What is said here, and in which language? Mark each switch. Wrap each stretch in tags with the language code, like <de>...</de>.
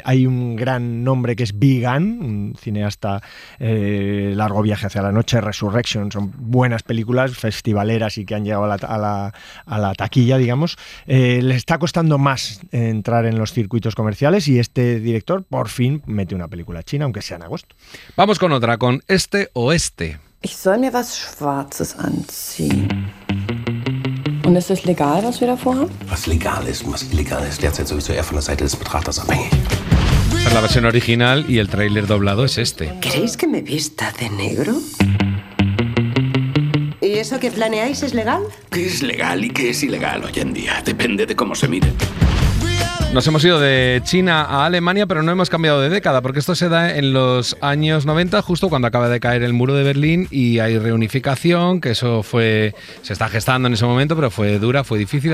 <es>Hay un gran nombre que es Vigan, un cineasta, Largo Viaje hacia la Noche, Resurrection, son buenas películas festivaleras y que han llegado a la taquilla, digamos. Le está costando más entrar en los circuitos comerciales y este director por fin mete una película china, aunque sea en agosto. Vamos con otra, con Este Oeste.</es> <de>Ich soll mir was Schwarzes anziehen. Und ist es legal, was wir da vorhaben? Was legal ist und was illegal ist, derzeit sowieso eher von der Seite des Betrachters abhängig.</de> <es>Esta es la versión original y el tráiler doblado es este. ¿Creéis que me vista de negro? ¿Y eso que planeáis es legal? ¿Qué es legal y qué es ilegal hoy en día? Depende de cómo se mire. Nos hemos ido de China a Alemania, pero no hemos cambiado de década, porque esto se da en los años 90, justo cuando acaba de caer el muro de Berlín y hay reunificación, que eso se está gestando en ese momento, pero fue dura, fue difícil.</es>